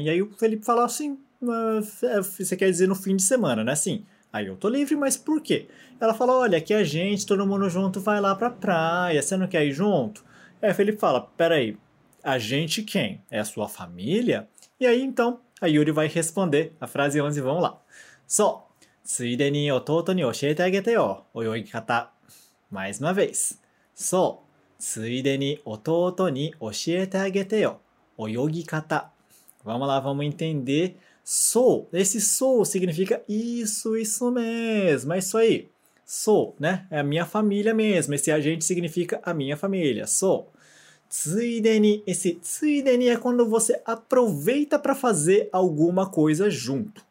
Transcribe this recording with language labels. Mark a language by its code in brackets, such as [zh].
[pt] E aí o Felipe falou assim, você quer dizer no fim de semana, né? Sim. Aí eu tô livre, mas por quê? Ela falou, olha, aqui a gente, todo mundo junto, vai lá pra praia, você não quer ir junto? Aí o Felipe fala, peraí, a gente quem? É a sua família? E aí, então, a Yuri vai responder a frase 11, vamos lá. [ja] Só, ついでに弟に教えてあげてよ、泳ぎ方。 [pt] Mais uma vez. [ja] Só, ついでに弟に教えてあげてよ、泳ぎ方。 [pt] Vamos lá, vamos entender. Só, esse só significa isso, isso mesmo, é isso aí. Sou, né? É a minha família mesmo. Esse agente significa a minha família. Sou. Tsuideni. Esse tsuideni é quando você aproveita para fazer alguma coisa junto.